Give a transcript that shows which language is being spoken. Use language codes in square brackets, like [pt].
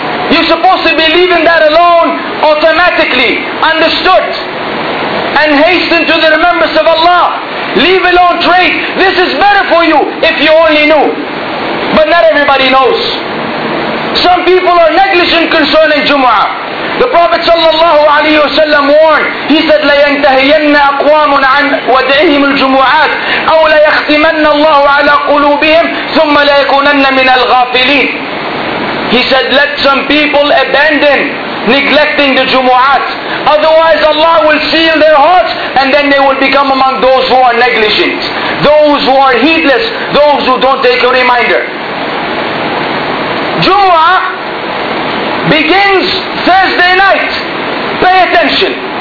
[en] You're supposed to be leaving that alone automatically. Understood. And hasten to the remembrance of Allah. Leave alone trade. This is better for you if you only knew. But not everybody knows. Some people are negligent concerning Jumu'ah. The Prophet sallallahu alayhi wa sallam warned. He said, [ar] لَيَنْتَهِيَنَّ أَقْوَامٌ عَنْ وَدْعِهِمُ الْجُمُعَاتِ أَوْ لَيَخْتِمَنَّ اللَّهُ عَلَىٰ قُلُوبِهِمْ ثُمَّ لَيَكُونَنَّ مِنَ الْغَافِلِينَ. [en] He said, let some people abandon neglecting the Jumu'at. Otherwise Allah will seal their hearts and then they will become among those who are negligent, those who are heedless, those who don't take a reminder. Jumu'ah begins Thursday night. Pay attention.